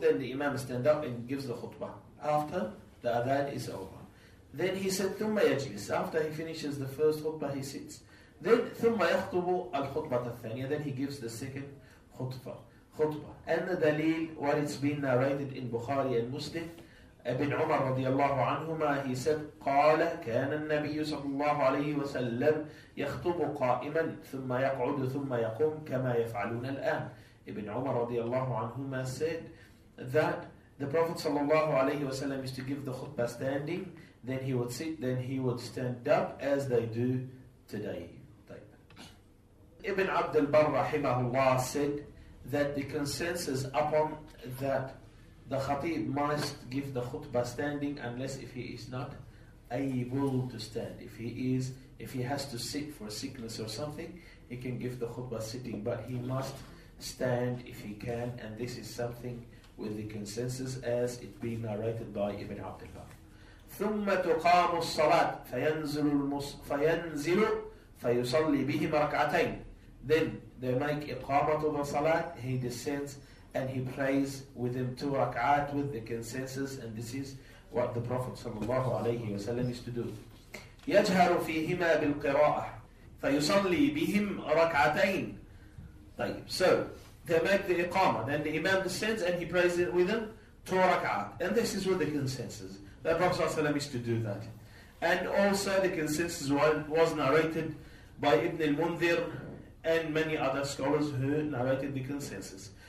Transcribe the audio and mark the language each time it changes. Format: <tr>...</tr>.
<en>Then the Imam stands up and gives the khutbah after the adhan is over. Then he said</en> <ar>ثم يجلس,</ar> <en>after he finishes the first khutbah he sits. Then</en> <ar>ثم يخطب الخطبة الثانية,</ar> <en>then he gives the second khutbah. And the</en> <ar>دليل,</ar> <en>what it's been narrated in Bukhari and Muslim,</en> <ar>ابن عمر رضي الله عنهما,</ar> <en>he said</en> <ar>قال كان النبي صلى الله عليه وسلم يخطب قائما ثم يقعد ثم يقوم كما يفعلون الآن.</ar> <en>Ibn Umar radiallahu anhuma said that the Prophet sallallahu alayhi wa sallam used to give the khutbah standing, then he would sit, then he would stand up as they do today. Ibn Abd al-Barr rahimahullah said that the consensus upon that the khatib must give the khutbah standing unless if he is not able to stand. If he has to sit for sickness or something, he can give the khutbah sitting, but he must stand if he can, and this is something with the consensus as it being narrated by Ibn Abdullah.</en> <ar>ثم تقام الصلاة فينزل فيصلي بهما ركعتين.</ar> <en>Then they make</en> <ar>إقامته بالصلاة.</ar> <en>He descends and he prays with them two ركعات with the consensus, and this is what the Prophet</en> <ar>صلى الله عليه وسلم</ar> <en>used to do.</en> <ar>يجهر فيهما بالقراءة فيصلي بهم ركعتين.</ar> <en>طيب, so they make the إقامة, then the Imam descends and he prays it with them two ركعات, and this is with the consensus. The Prophet</en> <ar>صلى الله عليه وسلم</ar> <en>used to do that. And also the consensus was narrated by Ibn al-Mundhir and many other scholars who narrated the consensus.</en>